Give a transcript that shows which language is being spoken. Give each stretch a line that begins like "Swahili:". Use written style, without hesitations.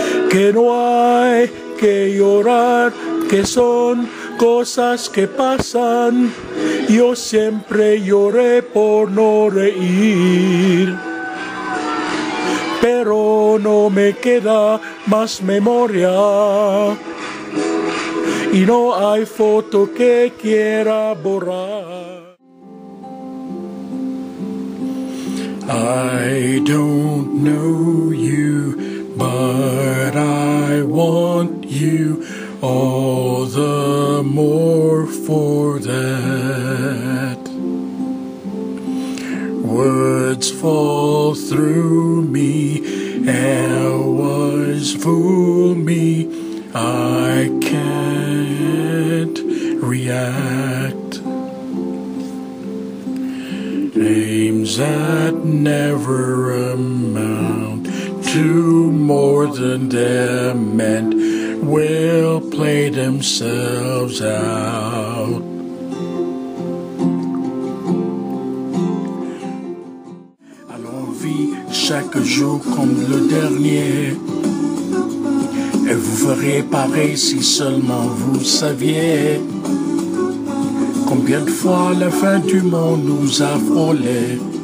Spanish: Que no hay que llorar, que son cosas que pasan, yo siempre lloré por no reír. Pero no me queda más memoria, y no hay foto que quiera borrar.
English: I don't know you, but I want you all the more for that. Words fall through me, hours fool me, I can't react. Names that never amount to more than they're meant will play themselves out.
French: Alors vie chaque jour comme le dernier, et vous ferez pareil si seulement vous saviez combien de fois la fin du monde nous a frôlés.